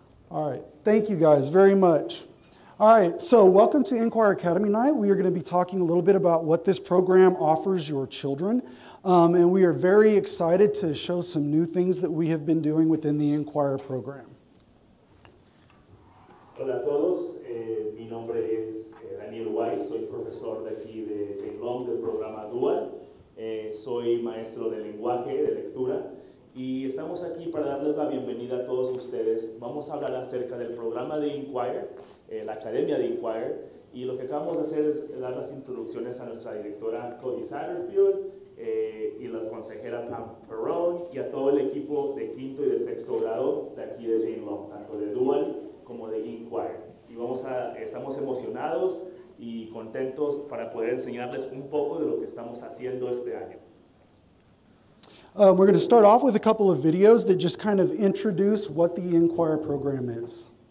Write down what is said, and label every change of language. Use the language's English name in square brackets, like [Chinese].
[English] All right, thank you guys very much. All right, so welcome to Inquire Academy Night. We are gonna be talking a little bit about what this program offers your children. And we are very excited to show some new things that we have been doing within the Inquire program. [Spanish] Hola a todos, mi nombre es Daniel Weiss, soy profesor de aquí de Long, del programa Dual. Soy maestro de lenguaje, de lectura. Y estamos aquí para darles la bienvenida a todos ustedes. Vamos a hablar acerca del programa de Inquire, la Academia de Inquire. Y lo que acabamos de hacer es dar las introducciones a nuestra directora Cody Satterfield y la consejera Pam Perrone y a todo el equipo de quinto y de sexto grado de aquí de Jane Long, tanto de Dual como de Inquire. Y estamos emocionados y contentos para poder enseñarles un poco de lo que estamos haciendo este año. [English] We're going to start off with a couple of videos that just kind of introduce what the Inquire program is.